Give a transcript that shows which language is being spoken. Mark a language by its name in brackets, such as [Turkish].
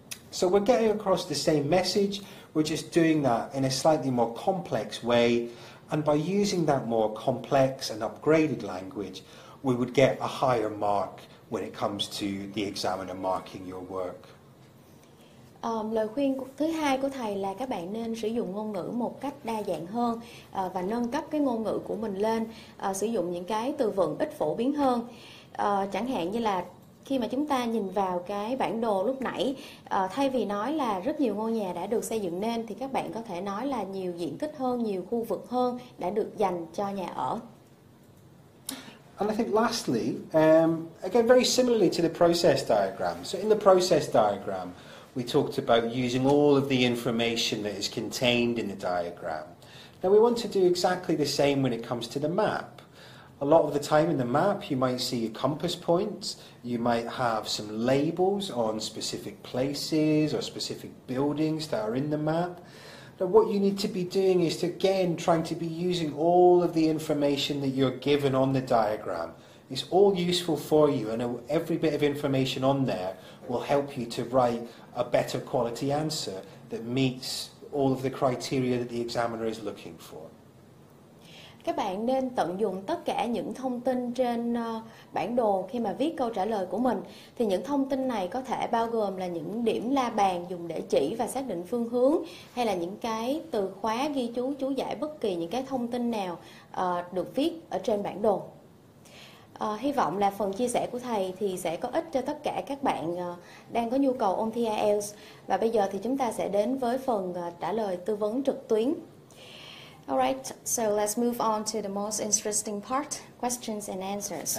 [English] So we're getting across the same message, we're just doing that in a slightly more complex way, and by using that more complex and upgraded language, we would get a higher mark when it comes to the examiner marking your work. [Vietnamese] Lời khuyên thứ hai của thầy là các bạn nên sử dụng ngôn ngữ một cách đa dạng hơn và nâng cấp cái ngôn ngữ của mình lên, sử dụng những cái từ vựng ít phổ biến hơn. Chẳng hạn như là khi mà chúng ta nhìn vào cái bản đồ lúc nãy, thay vì nói là rất nhiều ngôi nhà đã được xây dựng nên thì các bạn có thể nói là nhiều diện tích hơn, nhiều khu vực hơn đã được dành cho nhà ở. [English] And I think lastly, again very similarly to the process diagram. So in the process diagram, we talked about using all of the information that is contained in the diagram. Now we want to do exactly the same when it comes to the map. A lot of the time in the map you might see a compass point, you might have some labels on specific places or specific buildings that are in the map. Now what you need to be doing is to again trying to be using all of the information that you're given on the diagram. It's all useful for you, and every bit of information on there will help you to write a better quality answer that meets all of the criteria that the examiner is looking for. [Vietnamese] Các bạn nên tận dụng tất cả những thông tin trên bản đồ khi mà viết câu trả lời của mình. Thì những thông tin này có thể bao gồm là những điểm la bàn dùng để chỉ và xác định phương hướng, hay là những cái từ khóa ghi chú giải bất kỳ những cái thông tin nào được viết ở trên bản đồ. Hy vọng là phần chia sẻ của thầy thì sẽ có ích cho tất cả các bạn đang có nhu cầu ôn thi IELTS. Và bây giờ thì chúng ta sẽ đến với phần trả lời tư vấn trực tuyến. [English] All right, so let's move on to the most interesting part, questions and answers.